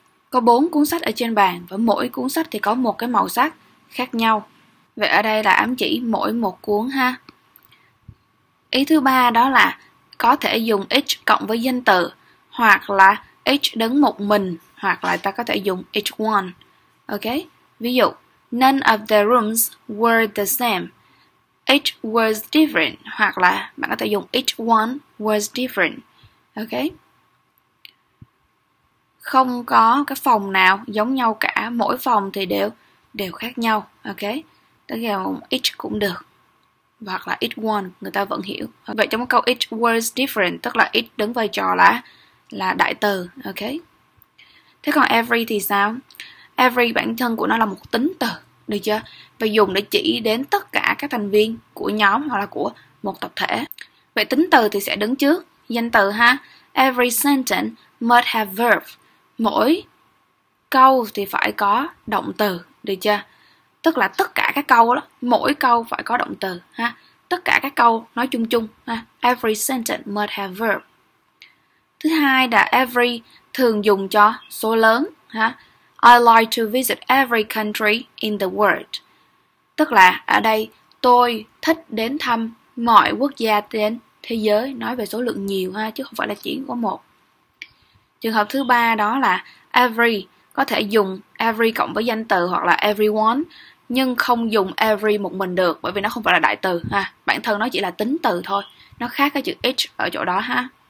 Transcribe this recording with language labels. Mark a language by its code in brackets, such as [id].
[vi] Có bốn cuốn sách ở trên bàn và mỗi cuốn sách thì có một cái màu sắc khác nhau. Vậy ở đây là ám chỉ mỗi một cuốn ha. Ý thứ ba đó là có thể dùng each cộng với danh từ hoặc là each đứng một mình hoặc là ta có thể dùng each one. Ok. Ví dụ, [en] none of the rooms were the same. Each was different. [vi] Hoặc là bạn có thể dùng [en] each one was different. Ok. [vi] Không có cái phòng nào giống nhau cả. Mỗi phòng thì đều khác nhau. Ok. Tức là each cũng được. Hoặc là each one, người ta vẫn hiểu. Vậy trong câu [en] each was different, [vi] tức là each đứng vai trò là đại từ. Ok. Thế còn every thì sao? Every bản thân của nó là một tính từ, được chưa? Và dùng để chỉ đến tất cả các thành viên của nhóm hoặc là của một tập thể. Vậy tính từ thì sẽ đứng trước danh từ ha. [en] Every sentence must have verb. [vi] Mỗi câu thì phải có động từ, được chưa? Tức là tất cả các câu đó, mỗi câu phải có động từ ha. Tất cả các câu nói chung chung ha. [en] Every sentence must have verb. [vi] Thứ hai là every thường dùng cho số lớn ha. [en] I like to visit every country in the world. [vi] Tức là ở đây tôi thích đến thăm mọi quốc gia trên thế giới, nói về số lượng nhiều ha, chứ không phải là chỉ có một. Trường hợp thứ ba đó là every, có thể dùng every cộng với danh từ hoặc là everyone, nhưng không dùng every một mình được bởi vì nó không phải là đại từ ha, bản thân nó chỉ là tính từ thôi, nó khác cái chữ each ở chỗ đó ha.